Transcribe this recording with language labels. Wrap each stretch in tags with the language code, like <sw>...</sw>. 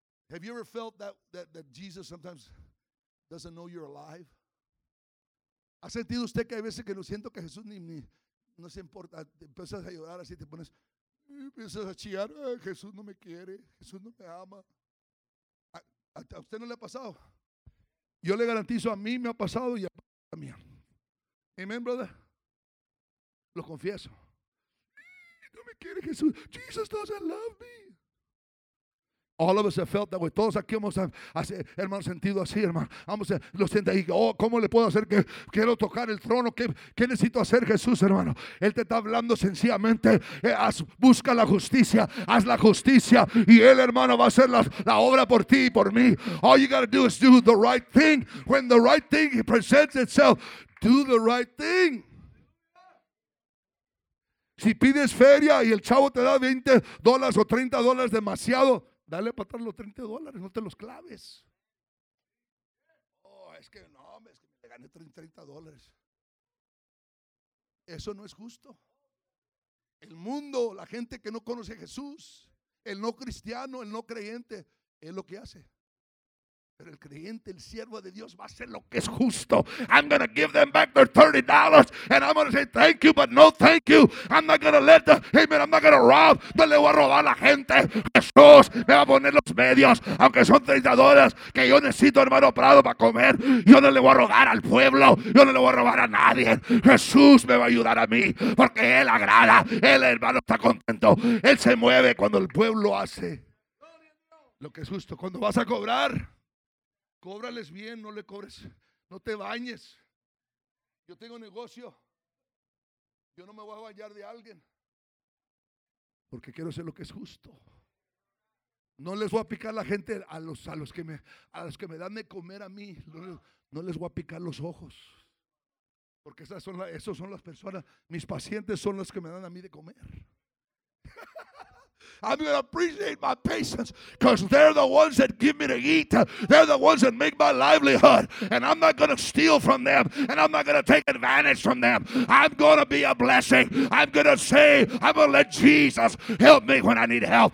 <en>Have you ever felt that Jesus sometimes doesn't know you're alive?</en> <es>¿Ha sentido usted que hay veces que no siento que Jesús ni no se importa? Te empiezas a llorar, así te pones, y empiezas a chillar, Jesús no me quiere, Jesús no me ama. ¿A usted no le ha pasado? Yo le garantizo, a mí me ha pasado y a mí también.</es> <en>Amen, brother.</en> <es>Lo confieso. No me quiere Jesús.</es> <en>Jesus doesn't love me. All of us have felt that way.</en> <es>Todos aquí hemos hermano, sentido así, hermano. Vamos a lo siente ahí. Oh, ¿cómo le puedo hacer? Que quiero tocar el trono. ¿Qué necesito hacer, Jesús, hermano? Él te está hablando sencillamente. Busca la justicia. Haz la justicia. Y Él, hermano, va a hacer la obra por ti y por mí.</es> <en>All you got to do is do the right thing. When the right thing presents itself, do the right thing.</en> <es>Si pides feria y el chavo te da $20 o $30 demasiado, dale para atrás los $30, no te los claves. Oh, es que no, es que me gané $30. Eso no es justo. El mundo, la gente que no conoce a Jesús, el no cristiano, el no creyente, es lo que hace. Pero el creyente, el siervo de Dios, va a hacer lo que es justo.</es> <en>I'm going to give them back their $30. And I'm going to say thank you, but no thank you. I'm not going to let them. Hey, man, I'm not going to rob.</en> <es>No le voy a robar a la gente. Jesús me va a poner los medios, aunque son $30 que yo necesito, hermano Prado, para comer. Yo no le voy a robar al pueblo. Yo no le voy a robar a nadie. Jesús me va a ayudar a mí, porque Él agrada. Él, hermano, está contento. Él se mueve cuando el pueblo hace lo que es justo. Cuando vas a cobrar, cóbrales bien, no le cobres, no te bañes. Yo tengo negocio, yo no me voy a bañar de alguien, porque quiero hacer lo que es justo. No les voy a picar la gente a los que me dan de comer a mí. No les voy a picar los ojos, porque esas son las personas, mis pacientes son los que me dan a mí de comer.</es> <en>I'm going to appreciate my patients because they're the ones that give me to eat. They're the ones that make my livelihood. And I'm not going to steal from them. And I'm not going to take advantage from them. I'm going to be a blessing. I'm going to say, I'm going to let Jesus help me when I need help.</en>